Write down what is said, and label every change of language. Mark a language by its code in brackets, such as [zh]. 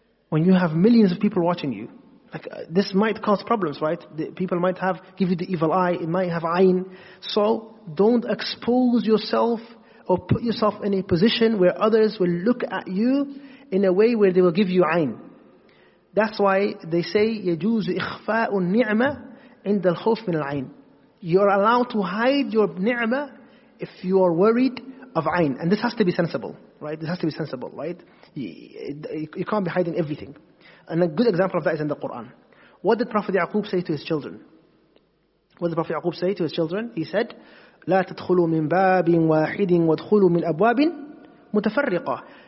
[en] When you have millions of people watching you, like this might cause problems, right? People might have give you the evil eye, it might have ayn. So don't expose yourself or put yourself in a position where others will look at you in a way where they will give you ayn. That's why they say [ar] يجوز إخفاء النعمة عند الخوف من العين. [en] You're allowed to hide your ni'mah if you are worried of ayn. And this has to be sensible, right? This has to be sensible, right? You can't be hiding everything. And a good example of that is in the Quran. What did Prophet Ya'qub say to his children? He said, [ar] لا تدخلوا من باب واحد وادخلوا من أبواب متفرقة.